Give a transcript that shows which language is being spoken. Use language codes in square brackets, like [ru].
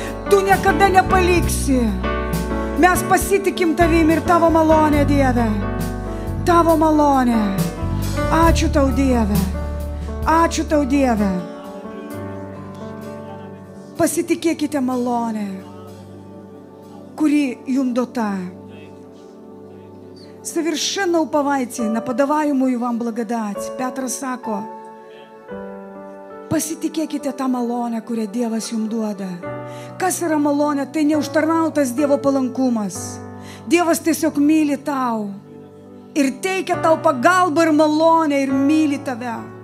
[lt] Tu niekada nepaliksi. Mes pasitikim tavim ir tavo malonė, Dieve. Tavo malonė. Ačiū tau, Dieve. Ačiū tau, Dieve. Pasitikėkite malonė, kuri jum duota. [ru] Совершенно уповайте на подаваемую вам благодать. Петр сако. [lt] Pasitikėkite tą malonę, kurią Dievas jums duoda. Kas yra malonė? Tai neužtarnautas Dievo palankumas. Dievas tiesiog myli tau. Ir teikia tau pagalbą ir malonę ir myli tave.